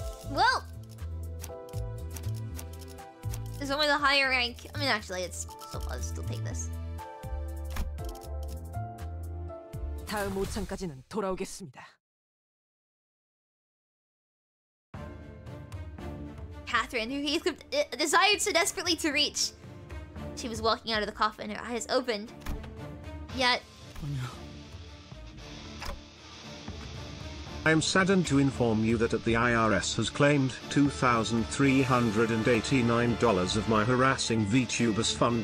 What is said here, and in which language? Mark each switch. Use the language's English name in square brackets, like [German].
[English] Well, there's only the higher rank. I mean, actually, it's so far, I'll still take this. [Korean] 다음 5창까지는 돌아오겠습니다. [English] Catherine, who Heathcliff desired so desperately to reach. She was walking out of the coffin, her eyes opened. Yet... I am saddened to inform you that the IRS has claimed $2,389 of my harassing VTuber's fund.